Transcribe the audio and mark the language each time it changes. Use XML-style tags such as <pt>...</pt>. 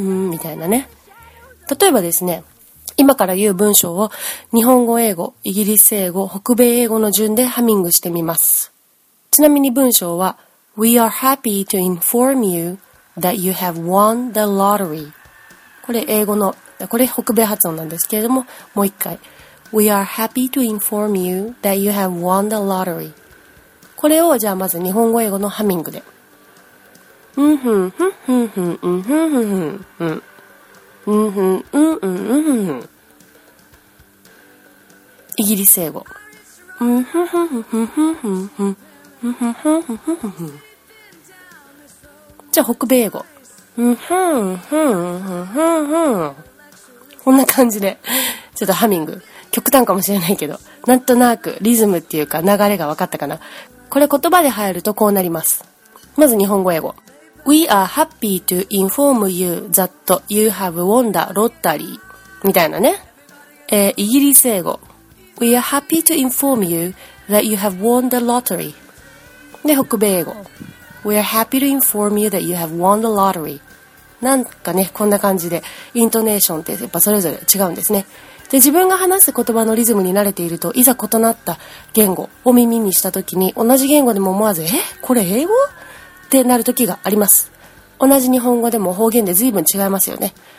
<ja>みたいなね。例えばですね、今から言う文章を日本語英語、イギリス英語、北米英語の順でハミングしてみます。ちなみに文章は、</ja> <en>We are happy to inform you that you have won the lottery.</en> <ja>これ英語の、これ北米発音なんですけれども、もう一回。</ja> <en>We are happy to inform you that you have won the lottery.</en> <ja>これをじゃあまず日本語英語のハミングで。うんふん、ふんふんふん、うんふんふんふん、うんふん、うんふん、うんふんふん。イギリス英語。うんふんふんふんふんふんふん、うんふんふんふんふんふんふん。じゃあ北米英語。うんふんふんふんふんふん。こんな感じで、ちょっとハミング。極端かもしれないけど、なんとなくリズムっていうか流れが分かったかな。これ言葉で入るとこうなります。まず日本語英語。</ja> <en>We are happy to inform you that you have won the lottery.</en> <ja>みたいなね。イギリス英語。</ja> <en>We are happy to inform you that you have won the lottery.</en> <ja>で、北米英語。</ja> <en>We are happy to inform you that you have won the lottery.</en> <ja>なんかね、こんな感じで、イントネーションってやっぱそれぞれ違うんですね。で、自分が話す言葉のリズムに慣れていると、いざ異なった言語を耳にしたときに、同じ言語でも思わず、え?これ英語? ってなるときがあります。同じ日本語でも方言で随分違いますよね。</ja>